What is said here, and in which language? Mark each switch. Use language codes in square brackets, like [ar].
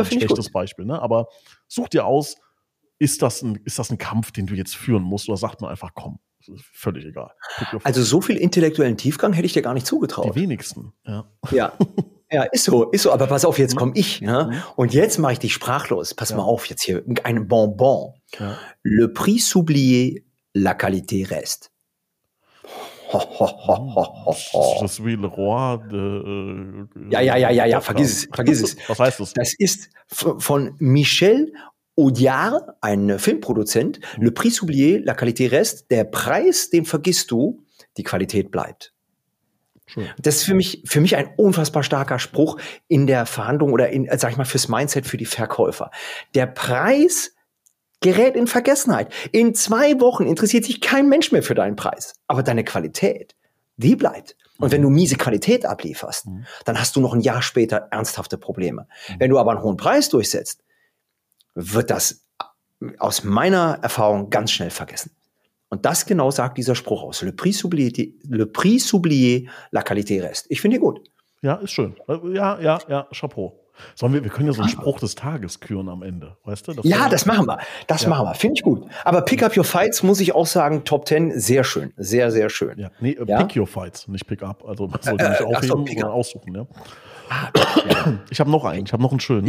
[de] ein schlechtes Beispiel. Ne? Aber such dir aus, ist das ein Kampf, den du jetzt führen musst? Oder sagt man einfach, komm, völlig egal. Also so viel intellektuellen Tiefgang hätte ich dir gar nicht zugetraut. Die wenigsten, ja. Ja, ja, ist so. Aber pass auf, jetzt komme ich. Ne? Und jetzt mache ich dich sprachlos. Pass mal auf, jetzt hier ein Bonbon. Ja. [fr] Le prix s'oublier, la qualité reste. [de] Das ist wie Leroy. Ja, vergiss es. Was heißt das? Das ist von Michel Audiard, ein Filmproduzent. [fr] Le prix s'oublier, la qualité reste. [de] Der Preis, den vergisst du, die Qualität bleibt. Schön. Das ist für mich ein unfassbar starker Spruch in der Verhandlung oder sag ich mal, fürs Mindset, für die Verkäufer. Der Preis gerät in Vergessenheit. In 2 Wochen interessiert sich kein Mensch mehr für deinen Preis. Aber deine Qualität, die bleibt. Und wenn du miese Qualität ablieferst, dann hast du noch ein Jahr später ernsthafte Probleme. Wenn du aber einen hohen Preis durchsetzt, wird das aus meiner Erfahrung ganz schnell vergessen. Und das genau sagt dieser Spruch aus. [fr] Le prix s'oublie, la qualité reste. [de] Ich finde ihn gut. Ja, ist schön. Ja, chapeau. Sollen wir können ja so einen Spruch des Tages küren am Ende, weißt du? Das machen wir. Finde ich gut. Aber [en] Pick Up Your Fights [de] muss ich auch sagen, Top 10, sehr schön. Sehr, sehr schön. Ja. Nee, ja? [en] Pick Your Fights, [de] nicht Pick Up. Also man sollte nicht aufheben oder aussuchen. Ja. Ich habe noch einen, schönen.